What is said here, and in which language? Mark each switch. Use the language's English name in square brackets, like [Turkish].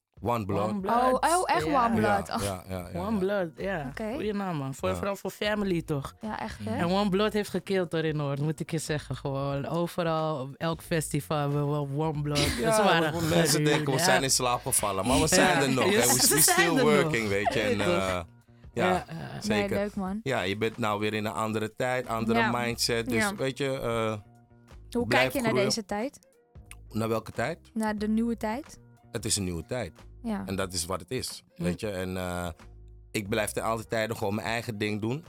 [Dutch] One Blood. Echt One Blood. One Blood, ja. Goeie naam, man. Vooral voor family, toch? Ja, echt, hè? En One Blood heeft gekild hoor, in Noord, moet ik je zeggen. Gewoon overal, elk festival, we hebben One Blood. Ja, mensen denken, we zijn in slaap gevallen. Maar we zijn er nog. [English] Yes, we still working, [Dutch] weet je. Zeker. Nee, leuk, man. Ja, je bent nou weer in een andere tijd, andere mindset. Dus, weet je, hoe kijk je naar deze tijd? Naar welke tijd? Naar de nieuwe tijd. Het is een nieuwe tijd. Ja. En dat is wat het is. Weet je? En ik blijf er altijd tijden gewoon mijn eigen ding doen.